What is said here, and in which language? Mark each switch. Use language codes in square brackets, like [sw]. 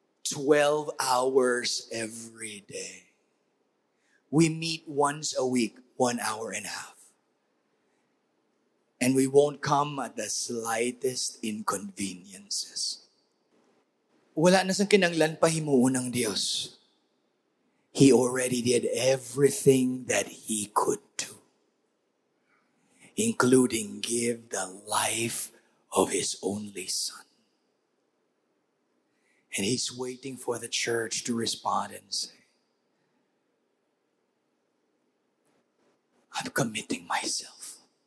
[en] 12 hours every day. We meet once a week, 1 hour and a half. And we won't come at the slightest inconveniences. [hil] Wala na sang kinanglan pahimuon ng Diyos. [en] He already did everything that He could do, including give the life of His only Son. And He's waiting for the church to respond and say, I'm committing myself.